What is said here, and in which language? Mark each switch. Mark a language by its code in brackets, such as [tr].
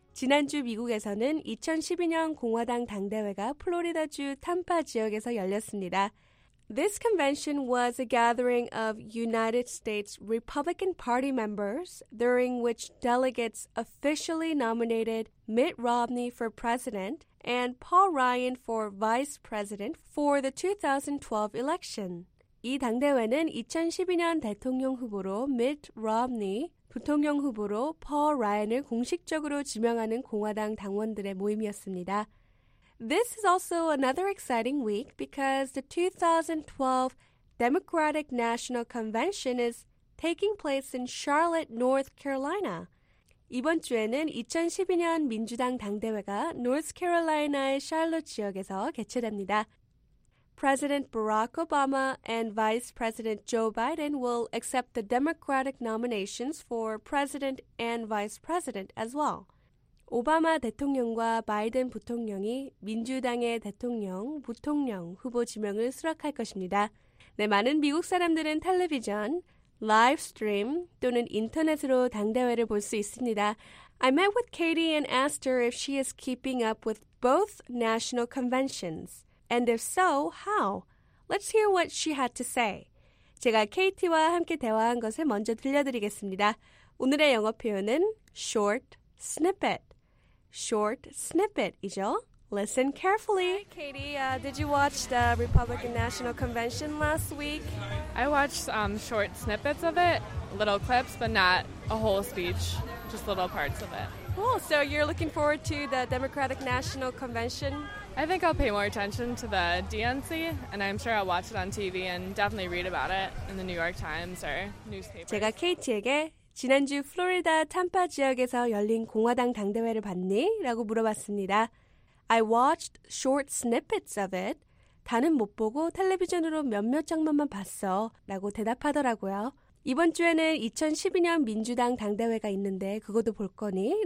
[ko] 지난주 미국에서는 2012년 공화당 당대회가 플로리다주 탐파 지역에서 열렸습니다. [en] This convention was a gathering of United States Republican Party members during which delegates officially nominated Mitt Romney for president and Paul Ryan for vice president for the 2012 election. [ko] 이 당대회는 2012년 대통령 후보로 Mitt Romney, 부통령 후보로 Paul Ryan을 공식적으로 지명하는 공화당 당원들의 모임이었습니다. [en] This is also another exciting week because the 2012 Democratic National Convention is taking place in Charlotte, North Carolina. [ko] 이번 주에는 2012년 민주당 당대회가 North Carolina의 샬롯 지역에서 개최됩니다. [en] President Barack Obama and Vice President Joe Biden will accept the Democratic nominations for President and Vice President as well. [ko] 오바마 대통령과 바이든 부통령이 민주당의 대통령, 부통령 후보 지명을 수락할 것입니다. 네, 많은 미국 사람들은 텔레비전, 라이브 스트림 또는 인터넷으로 당대회를 볼 수 있습니다. [en] I met with Katie and asked her if she is keeping up with both national conventions. And if so, how? Let's hear what she had to say. [ko] 제가 KT와 함께 대화한 것을 먼저 들려드리겠습니다. 오늘의 영어 표현은 short snippet. Short snippet이죠. [en] Listen carefully. Hi, Katie. Did you watch the Republican National Convention last week? I watched short snippets of it, little clips, but not a whole speech, just little parts of it. Cool. So you're looking forward to the Democratic National Convention? I think I'll pay more attention to the DNC, and I'm sure I'll watch it on TV and definitely read about it in the New York Times or newspapers. [ko] 제가 KT에게 지난주 플로리다 탐파 지역에서 열린 공화당 당대회를 봤니? 라고 물어봤습니다. [en] I watched short snippets of it. [ko] 다는 못 보고 텔레비전으로 몇몇 장면만 봤어. 라고 대답하더라고요. 이번 주에는 2012년 민주당 당대회가 있는데 그것도 볼 거니?